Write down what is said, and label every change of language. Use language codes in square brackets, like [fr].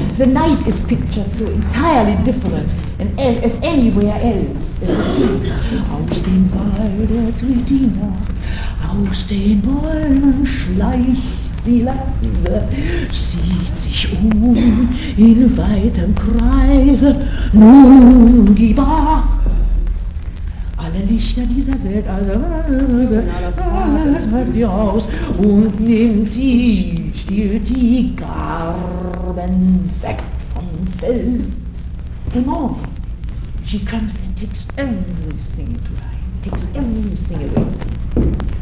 [en] The night is pictured so entirely different as anywhere else. [de] Aus dem Wald tritt die Nacht, aus den Bäumen schleicht sie leise, sieht sich um in weitem Kreise. Nun gib acht, alle Lichter dieser Welt, also hört sie aus und nimmt die stiehlt die Garben weg vom Feld. [en] The morning, she comes and takes everything to her, takes everything away.